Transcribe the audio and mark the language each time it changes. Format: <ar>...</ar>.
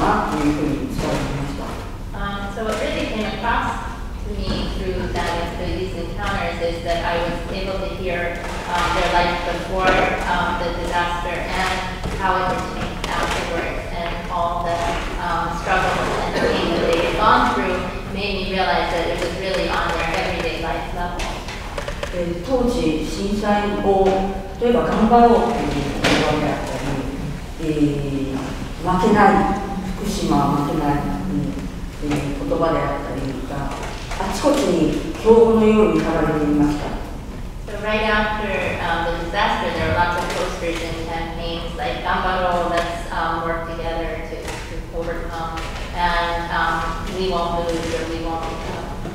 <en>So what really came across to me through that these encounters is that I was able to hear their life before the disaster and how it had changed afterwards, and all the struggles and pain that they had gone through made me realize that it was really on their everyday life level.</en> <ja>当時震災を例えば頑張ろうっていう言葉であったり。負けない、福島は負けない、言葉であったりとか、あちこちに標語のように貼られていました。</ja> <en>So right after the disaster, there are lots of posters and campaigns like Gambaro, let's work together to overcome, and we won't lose or we won't become.</en>